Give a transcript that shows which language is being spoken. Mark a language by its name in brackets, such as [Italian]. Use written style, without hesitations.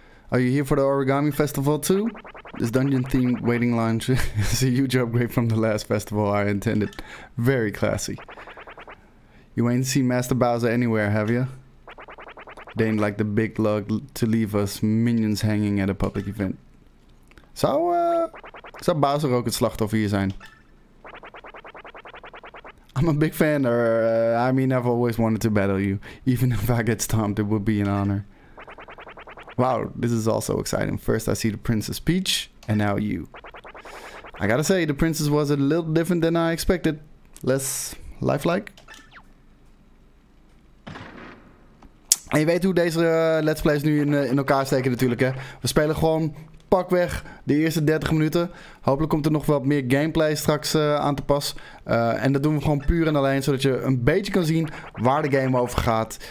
[English] Are you here for the Origami Festival too? This dungeon-themed waiting lunch is a huge upgrade from the last festival I attended. Very classy. You ain't seen Master Bowser anywhere, have you? They ain't like the big lug to leave us minions hanging at a public event. [Dutch] Zou Bowser ook het slachtoffer hier zijn? [English] I'm a big fan, I've always wanted to battle you. Even if I get stomped, it would be an honor. Wow, this is also exciting. First I see the Princess Peach, and now you. I gotta say, the princess was a little different than I expected. Less lifelike. [Dutch] En je weet hoe deze let's plays nu in elkaar steken natuurlijk, hè. We spelen gewoon pakweg de eerste 30 minuten. Hopelijk komt er nog wat meer gameplay straks aan te pas. En dat doen we gewoon puur en alleen, zodat je een beetje kan zien waar de game over gaat.